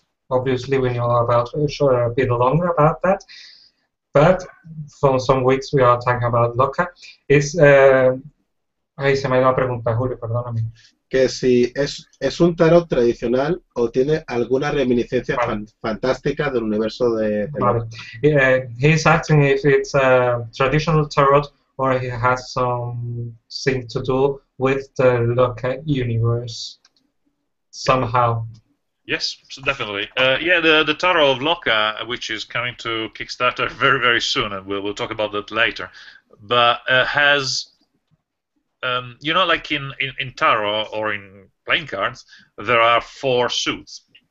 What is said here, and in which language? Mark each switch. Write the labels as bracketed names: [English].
[English] Obviously, we know about a bit longer about that, but from some weeks we are talking about Loca. [Spanish] Is ahí se me ha ido la pregunta, Julio, perdóname. Que si es un tarot tradicional o tiene alguna reminiscencia fantástica del universo de. Vale. [English] He's asking if it's a traditional tarot or it has something to do with the Loca universe somehow. Yes, so definitely. The Tarot of Loca, which is coming to Kickstarter very, very soon, and we'll talk about that later, but has, you know, like in Tarot or in playing cards, there are four suits.